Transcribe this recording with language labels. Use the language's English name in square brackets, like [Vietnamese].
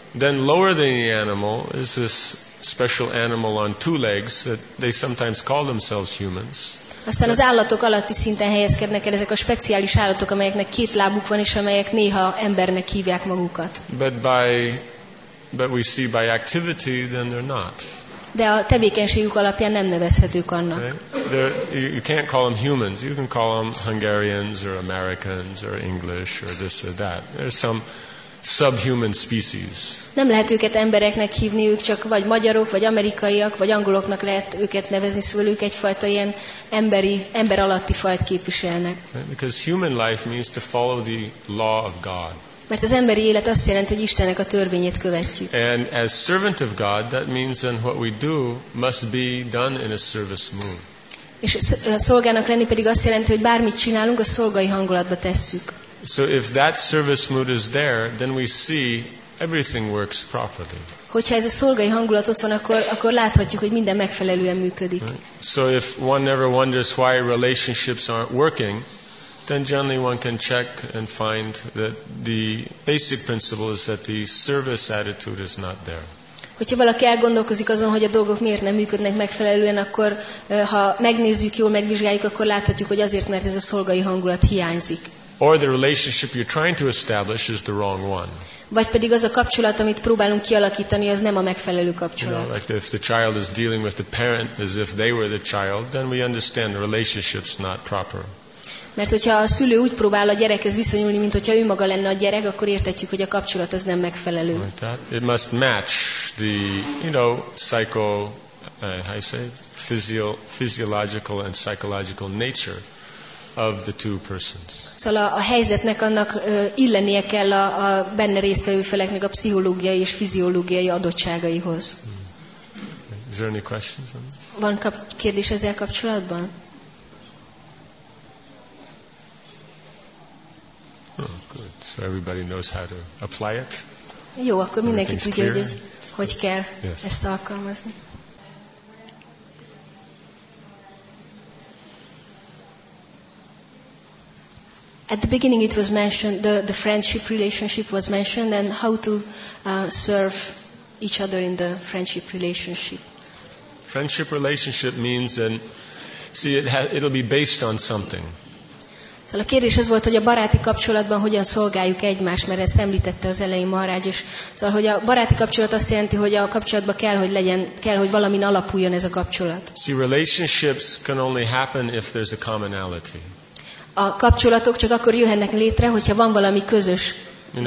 [English] Then lower than the animal is this special animal on two legs that they sometimes call themselves humans. [Hungarian] Aztán az állatok alatti szinten helyezkednek el ezek a speciális állatok, amelyeknek két lábuk van, és amelyek néha embernek hívják magukat. [English] But we see by activity, then they're not. [Hungarian] De a tevékenységük alapján nem nevezhetők annak. [English] Okay? You can't call them humans. You can call them Hungarians or Americans or English or this or that. There's some subhuman species. [Hungarian] Nem lehet őket embereknek hívni, ők csak vagy magyarok, vagy amerikaiak, vagy angoloknak lehet őket nevezni, szóval ők egyfajta ilyen ember alatti fajt képviselnek. [English] Okay? Because human life means to follow the law of God. [Hungarian] Mert az emberi élet azt jelenti, hogy Istennek a törvényét követjük. [English] And as servant of God, that means then what we do must be done in a service mood. [Hungarian] És szolgának lenni pedig azt jelenti, hogy bármit csinálunk, a szolgai hangulatba tesszük. [English] So if that service mood is there, then we see everything works properly. [Hungarian] Hogyha ez a szolgai hangulat ott van, akkor láthatjuk, hogy minden megfelelően működik. [English] So if one never wonders why relationships aren't working, then generally one can check and find that the basic principle is that the service attitude is not there. [Hungarian] Hogyha valaki elgondolkozik azon, hogy a dolgok miért nem működnek megfelelően, akkor ha megnézzük, jól megvizsgáljuk, akkor láthatjuk, hogy azért, mert ez a szolgai hangulat hiányzik. [English] Or the relationship you're trying to establish is the wrong one. [Hungarian] Vagy pedig az a kapcsolat, amit próbálunk kialakítani, az nem a megfelelő kapcsolat. [English] You know, like if the child is dealing with the parent as if they were the child, then we understand the relationship's not proper. [Hungarian] Mert hogyha a szülő úgy próbál a gyerekhez viszonyulni, mint hogyha ő maga lenne a gyerek, akkor értetjük, hogy a kapcsolat az nem megfelelő. [English] It must match the, you know, physiological and psychological nature of the two persons. [Hungarian] Szóval a helyzetnek annak illenie kell a benne résztvevő feleknek a pszichológiai és fiziológiai adottságaihoz. [English] Is there any questions on this? [Hungarian] Van kérdés ezzel kapcsolatban? [English] Oh, good. So everybody knows how to apply it. [Hungarian] Jó, akkor mindenki tudja, hogy kell ezt alkalmazni. [English] At the beginning it was mentioned, the friendship relationship was mentioned, and how to serve each other in the friendship relationship. Friendship relationship means, and see, it'll be based on something. [Hungarian] Szóval a kérdés az volt, hogy a baráti kapcsolatban hogyan szolgáljuk egymást, mert ezt említette az elején Maharaj, és szóval, hogy a baráti kapcsolat azt jelenti, hogy a kapcsolatban kell, hogy legyen, kell, hogy valamin alapuljon ez a kapcsolat. [English] See, relationships can only happen if there's a commonality. [Hungarian] A kapcsolatok csak akkor jöhetnek létre, hogyha van valami közös dolog.